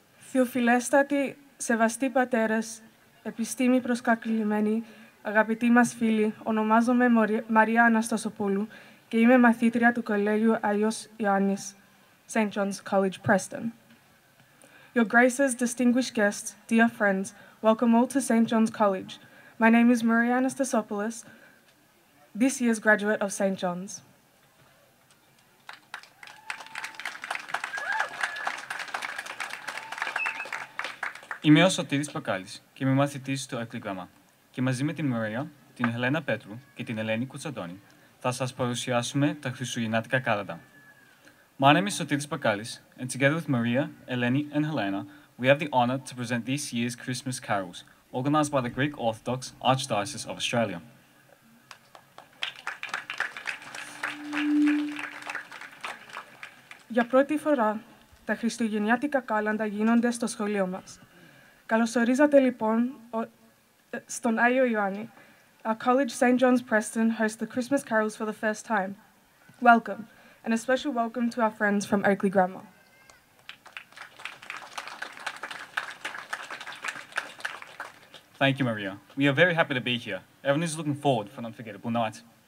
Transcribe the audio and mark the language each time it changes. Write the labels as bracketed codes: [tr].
[el] Θεοφιλέστατοι, σεβαστοί πατέρες, επιστήμη προσκακλημένοι, αγαπητοί μας φίλοι, ονομάζομαι Μαρία Αναστασοπούλου και είμαι μαθήτρια του Κολέγιου Άγιος Ιωάννης, St. [en] John's College, Preston. Your Grace's distinguished guests, dear friends, welcome all to St. John's College. My name is Maria Anastasopoulos, this year's graduate of St. John's. [el] Είμαι ο Σωτήρης Προκάλης και είμαι μαθητής στο εκδήλωμα. Και μαζί με την Μαρία, την Ελένα Πέτρου και την Ελένη Κουτσαντώνη, θα σας παρουσιάσουμε τα Χριστουγεννιάτικα Κάλαντα. [en] My name is Sotiris Pakalis, and together with Maria, Eleni, and Helena, we have the honor to present this year's Christmas carols, organized by the Greek Orthodox Archdiocese of Australia. [el] Για πρώτη φορά, τα Χριστουγεννιάτικα κάλαντα γίνονται στο σχολείο μας. Καλωσορίζατε λοιπόν στον Άγιο Ιωάννη. [en] Our college, St. John's Preston, hosts the Christmas carols for the first time. Welcome. And a special welcome to our friends from Oakley Grammar. Thank you, Maria. We are very happy to be here. Everyone is looking forward for an unforgettable night.